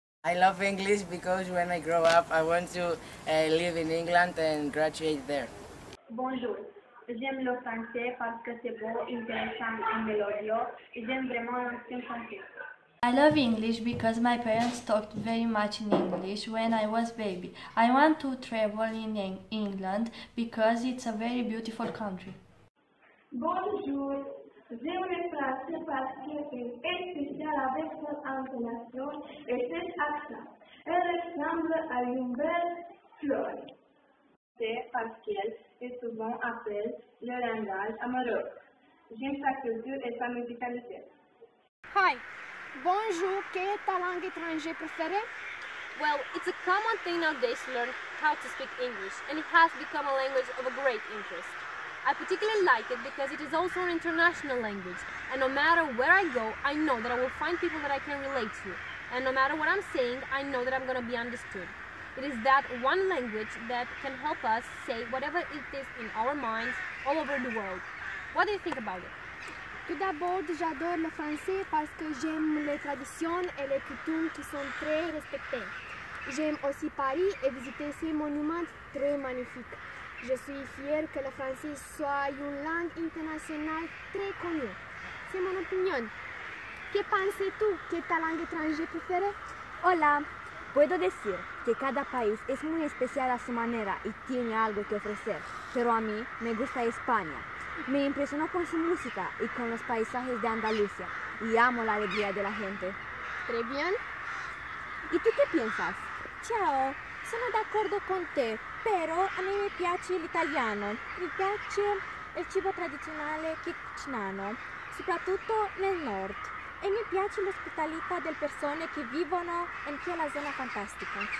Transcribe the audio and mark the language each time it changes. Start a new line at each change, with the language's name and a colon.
English: I love English because when I grow up, I want to live in England and graduate there.
French: Bonjour. J'aime le français parce que c'est beau, intéressant et mélodieux. J'aime vraiment l'ancien français.
English: I love English because my parents talked very much in English when I was baby. I want to travel in England because it's a very beautiful country.
French: Bonjour. J'aime le français parce que c'est spécial avec son intonation et cet accent. Elle ressemble à une belle fleur. C'est parce qu'elle est souvent appelée le langage amoureux. J'aime sa culture et sa musicalité. Hi, bonjour, quelle est ta langue étrangère préférée?
English: Well, it's a common thing nowadays to learn how to speak English and it has become a language of a great interest. I particularly like it because it is also an international language and no matter where I go, I know that I will find people that I can relate to and no matter what I'm saying, I know that I'm going to be understood. It is that one language that can help us say whatever it is in our minds all over the world. What do you think about it?
French: Tout d'abord, j'adore le français parce que j'aime les traditions et les coutumes qui sont très respectées. J'aime aussi Paris et visiter ces monuments très magnifiques. Je suis fière que le français soit une langue internationale très connue. C'est mon opinion. Que penses-tu que ta langue étrangère préférée?
Spanish: Hola. Puedo decir que cada país es muy especial a su manera y tiene algo que ofrecer. Pero a mí me gusta España. Me impresionó con su música y con los paisajes de Andalucía. Y amo la alegría de la gente. ¿Tres bien? ¿Y tú qué piensas?
Italian: Ciao, sono d'accordo con te,
Spanish: pero a mí
Italian: me piace l'italiano. Mi piace il cibo tradizionale che cucinano, soprattutto nel nord. E mi piace l'ospitalità delle persone che vivono in quella zona fantastica.